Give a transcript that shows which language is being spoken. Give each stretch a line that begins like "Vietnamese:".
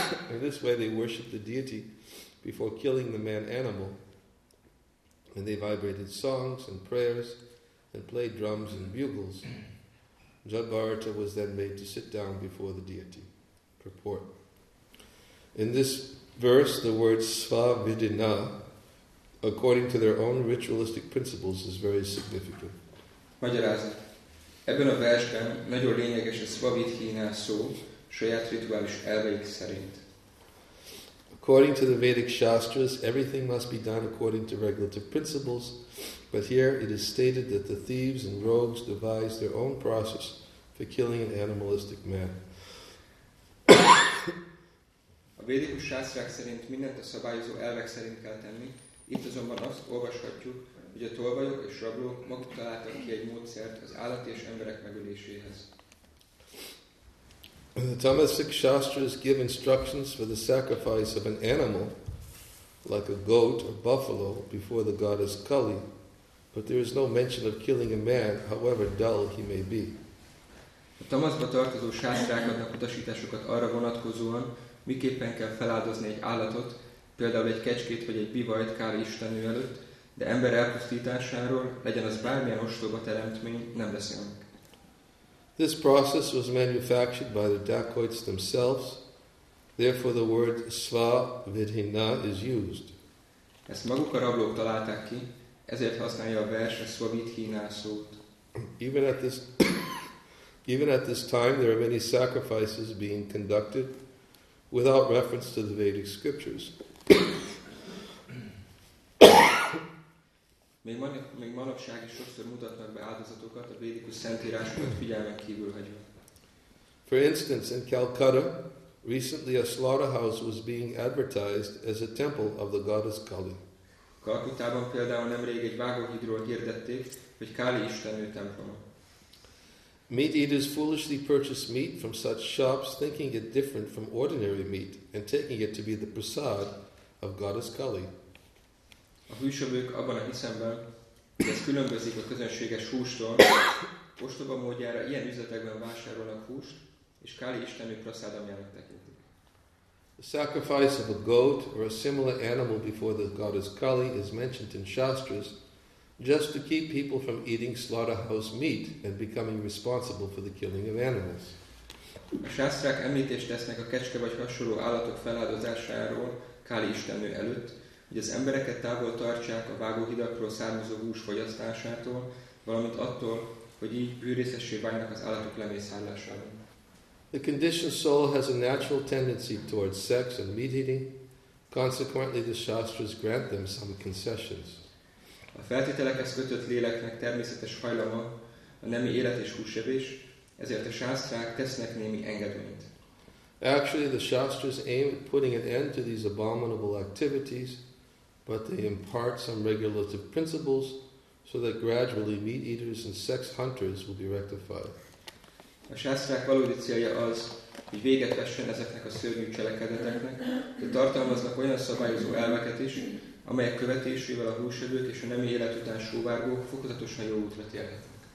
English: In this way they worshipped the deity before killing the man-animal, and they vibrated songs and prayers and played drums and bugles. Jagbharata was then made to sit down before the deity. Purport. In this verse, the word svavidina, according to their own ritualistic principles, is very significant.
Hungarian: Magyarázat. Ebben a versben nagyon lényeges a svavidhina szó, saját rituális elveik szerint.
English: According to the Vedic Shastras, everything must be done according to regulative principles, but here it is stated that the thieves and rogues devise their own process for killing an animalistic man.
Hungarian: A védikus sászrák szerint mindent a szabályozó elvek szerint kell tenni. Itt azonban azt olvashatjuk, hogy a tolvajok és rablók maguk találtak ki egy módszert az állati és emberek megöléséhez.
English: When the Tamasic Shastras give instructions for the sacrifice of an animal, like a goat or buffalo, before the goddess Kali, but there is no mention of killing a man, however dull he may be.
Hungarian: A Tamasba tartozó sásztrák adnak utasításokat arra vonatkozóan, miképpen kell feláldozni egy állatot, például egy kecskét vagy egy bivajt Kali istenő előtt, de ember elpusztításáról, legyen az bármilyen ostoba teremtmény, nem beszélnek.
English: This process was manufactured by the dacoits themselves. Therefore the word svavidhina is used.
Hungarian: Ezt maguk a rablók találták ki, ezért használja a vers a svavidhina szót.
English: Even at this time there are many sacrifices being conducted without reference to the Vedic scriptures.
Hungarian: Még manapság is sokszor mutatnak be áldozatokat a védikus szentírásokat figyelmen kívül hagyva.
English: For instance, in Calcutta, recently a slaughterhouse was being advertised as a temple of the goddess Kali.
Hungarian: Kalkutában például nemrég egy vágóhídról hirdették, hogy Kali istenő temploma.
English: Meat eaters foolishly purchase meat from such shops, thinking it different from ordinary meat and taking it to be the prasad of goddess Kali.
Hungarian: A hűsövők abban a hiszemben, hogy ez különbözik a közönséges hústól, ostoba módjára ilyen üzletekben vásárolnak húst, és Káli istenő praszádamjának tekintik.
English: The sacrifice of a goat or a similar animal before the goddess Kali is mentioned in Shastras just to keep people from eating slaughterhouse meat and becoming responsible for the killing of animals.
Hungarian: A sásztrák említést tesznek a kecske vagy hasonló állatok feláldozásáról Káli istenő előtt, hogy az embereket távol tartsák a vágóhidakról származó hús fogyasztásától, valamint attól, hogy így bűrészessé válnak az állatok lemészárlásában.
English: The conditioned soul has a natural tendency towards sex and meat eating, consequently the Shastras grant them some concessions.
Hungarian: A feltételekhez kötött léleknek természetes hajlama a nemi élet és húsevés, ezért a sásztrák tesznek némi engedményt.
English: Actually, the Shastras aim at putting an end to these abominable activities, but they impart some regulative principles so that gradually meat-eaters and sex-hunters will be rectified.
Hungarian: A sásztrák valódi célja az, hogy véget vessen ezeknek a szörnyű cselekedeteknek, de tartalmaznak olyan szabályozó elveket is, amelyek követésével a húsevők és a nemi élet után sóvárgók fokozatosan jó útra térhetnek.